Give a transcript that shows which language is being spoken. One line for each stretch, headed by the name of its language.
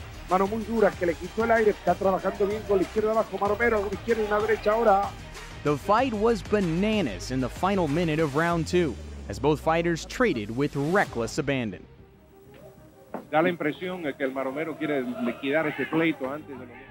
Spanish: Mano muy dura que le quitó el aire, está trabajando bien con la izquierda abajo, Maromero, con la izquierda y una derecha ahora.
English: The fight was bananas in the final minute of round two, as both fighters traded with reckless abandon.
Spanish: Da la impresión de que el Maromero quiere liquidar ese pleito antes de lo...